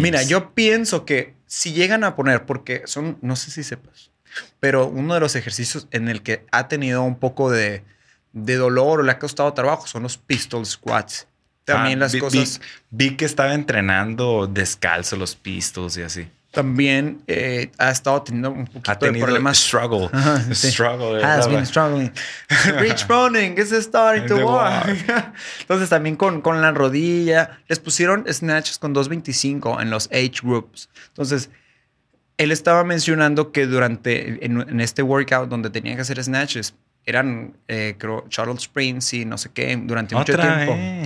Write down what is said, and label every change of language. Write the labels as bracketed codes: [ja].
[es] Mira, yo pienso que si llegan a poner, porque son, no sé si sepas, pero uno de los ejercicios en el que ha tenido un poco de dolor o le ha costado trabajo son los pistol squats. También vi que estaba entrenando descalzo los pistols y así. También ha estado teniendo un poquito de problemas. [en] Struggle. Has been struggling. Rich Froning is starting to walk. [es] Entonces también con la rodilla. Les pusieron snatches con 2.25 en los age groups. Entonces, él estaba mencionando que durante en este workout donde tenía que hacer snatches, eran, creo, shuttle sprints y no sé qué, durante mucho tiempo.